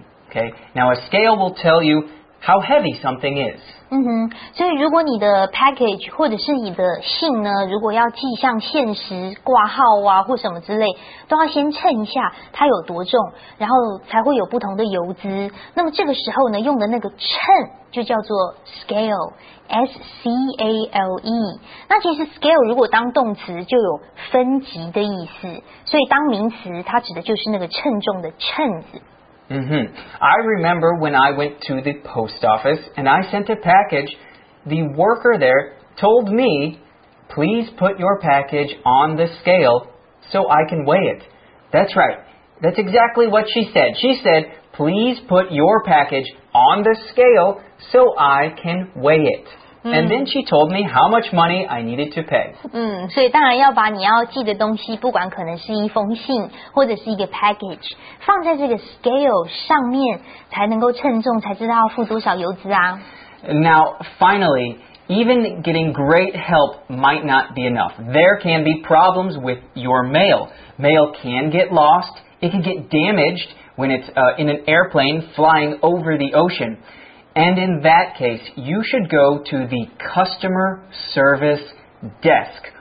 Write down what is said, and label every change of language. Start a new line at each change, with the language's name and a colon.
English: Okay, now a scale will tell youHow heavy something is.
Chinese: 嗯哼，所以如果你的 package 或者是你的信呢，如果要寄向限时挂号啊或什么之类，都要先称一下它有多重，然后才会有不同的邮资。那么这个时候呢，用的那个秤就叫做 scale, S-C-A-L-E. 那其实 scale 如果当动词就有分级的意思，所以当名词它指的就是那个称重的秤子。
English: Mm-hmm. I remember when I went to the post office and I sent a package, the worker there told me, please put your package on the scale so I can weigh it. That's right. That's exactly what she said. She said, please put your package on the scale so I can weigh it. And then she told me how much money I needed to pay.
Chinese: 嗯，所以当然要把你要寄的东西，不管可能是一封信或者是一个 package， 放在这个 scale 上面，才能够称重，才知道要付多少邮资啊。
English: Now, finally, even getting great help might not be enough. There can be problems with your mail. Mail can get lost. It can get damaged when it's in an airplane flying over the ocean. And in that case, you should go to the customer service desk.